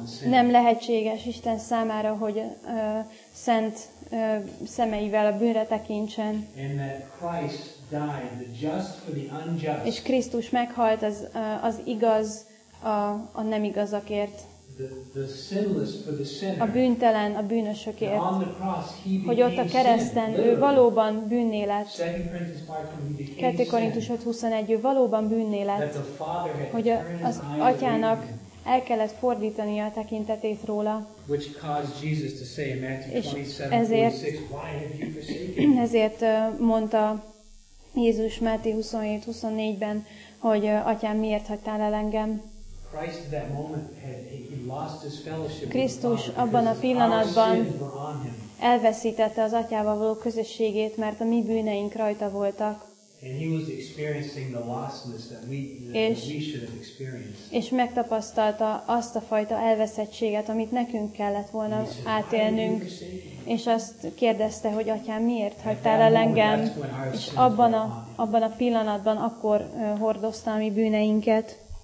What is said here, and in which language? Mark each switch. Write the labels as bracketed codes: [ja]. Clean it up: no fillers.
[hu] nem lehetséges Isten számára, hogy szent szemeivel a bűnre tekintsen. [en] And that Christ died the just for the unjust. [hu] És Krisztus meghalt az igaz a nem igazakért. [en] The sinless for the sinner. [hu] A bűntelen a bűnösökért. [en] On the cross, he [hu] hogy ott a kereszten ő valóban bűnné lett. 2 Korintus 5:21 ő valóban bűnné lett. Hogy az atyának el kellett fordítani a tekintetét róla. [en] Which caused Jesus to say in Matthew 27:46, [hu] ezért mondta Jézus Máté 27:24-ben, hogy atyám, miért hagytál el engem? [en] Christ at that moment he lost his fellowship. [hu] Krisztus abban a pillanatban elveszítette az atyával való közösségét, mert a mi bűneink rajta voltak. [en] And he was experiencing the lostness that we should have experienced. [hu] És megtapasztalta azt a fajta elveszettséget, amit nekünk kellett volna átélnünk. És azt kérdezte, hogy atyám, miért hagytál el engem? És abban a pillanatban akkor hordozta a mi bűneinket.